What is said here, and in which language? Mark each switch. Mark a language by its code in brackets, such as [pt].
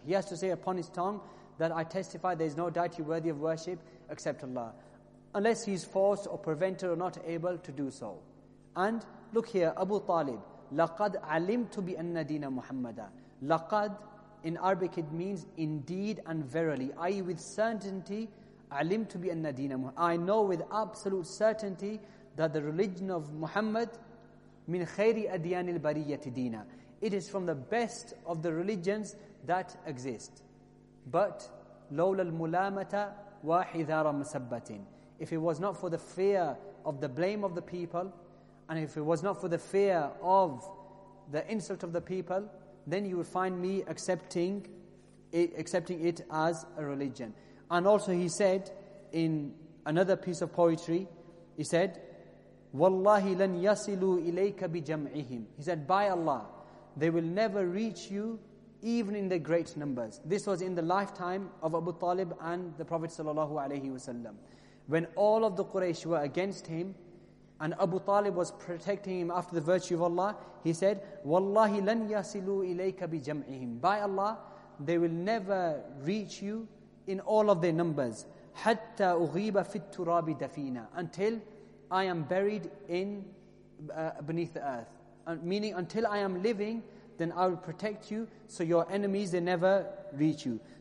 [en] He has to say upon his tongue that I testify there is no deity worthy of worship except Allah, unless he is forced or prevented or not able to do so. And look here, Abu Talib, [ar] لَقَدْ عَلِمْتُ بِأَنَّ دِينَ مُحَمَّدًا. [en] لَقَدْ, in Arabic it means indeed and verily, i.e. with certainty, [ar] عَلِمْتُ بِأَنَّ دِينَ مُحَمَّدًا. [en] I know with absolute certainty that the religion of Muhammad, [ar] مِنْ خَيْرِ أَدْيَانِ الْبَرِيَّةِ دِينَ. [en] It is from the best of the religions that exist. [ar] But لَوْلَ الْمُلَامَةَ وَحِذَارَ مَسَبَّةٍ. [en] If it was not for the fear of the blame of the people, and if it was not for the fear of the insult of the people, then you would find me accepting it as a religion. And also he said in another piece of poetry, he said, [ar] وَاللَّهِ لَنْ يَصِلُوا إِلَيْكَ بِجَمْعِهِمْ. [en] He said, by Allah, they will never reach you even in the great numbers. This was in the lifetime of Abu Talib and the Prophet sallallahu alaihi wasallam, when all of the Quraysh were against him and Abu Talib was protecting him after the virtue of Allah. He said, [ar] وَاللَّهِ لَنْ يَصِلُوا إِلَيْكَ بِجَمْعِهِمْ. [en] By Allah, they will never reach you in all of their numbers. [ar] حَتَّى أُغِيبَ فِي التُّرَابِ دَفِينَ. [en] Until I am buried beneath the earth. Meaning, until I am living, then I will protect you so your enemies, they never reach you.